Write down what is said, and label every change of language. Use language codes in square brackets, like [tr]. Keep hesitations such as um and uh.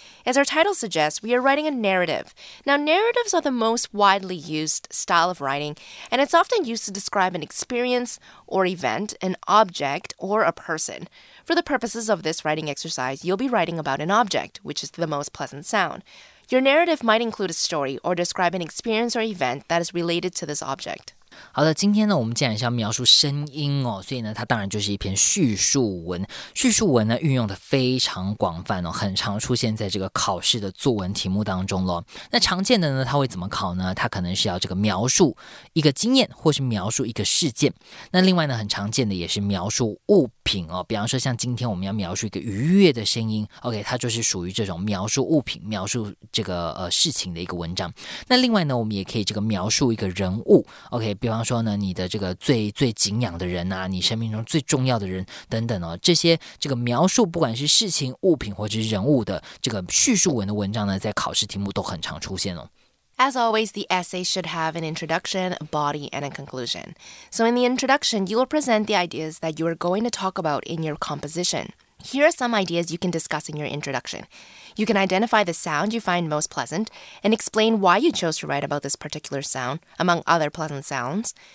[en] As our title suggests, we are writing a narrative. Now, narratives are the most widely used style of writing, and it's often used to describe an experience or event, an object, or a person. For the purposes of this writing exercise, you'll be writing about an object, which is the most pleasant sound. Your narrative might include a story or describe an experience or event that is related to this object. [zh] 好的，今天呢，我们既然是要描述声音哦，所以呢，它当然就是一篇叙述文。叙述文呢，运用的非常广泛哦，很常出现在这个考试的作文题目当中咯。那常见的呢，它会怎么考呢？它可能是要这个描述一个经验，或是描述一个事件。那另外呢，很常见的也是描述物品哦，比方说像今天我们要描述一个愉悦的声音，OK，它就是属于这种描述物品、描述这个呃事情的一个文章。那另外呢，我们也可以这个描述一个人物，OK。比方说呢，你的这个最最敬仰的人啊，你生命中最重要的人等等哦，这些这个描述，不管是事情、物品或者是人物的这个叙述文的文章呢，在考试题目都很常出现哦。 [en] As always, the essay should have an introduction, a body, and a conclusion. So, in the introduction, you will present the ideas that you are going to talk about in your composition. Here are some ideas you can discuss in your introduction. You can identify the sound you find most pleasant and explain why you chose to write about this particular sound, among other pleasant sounds.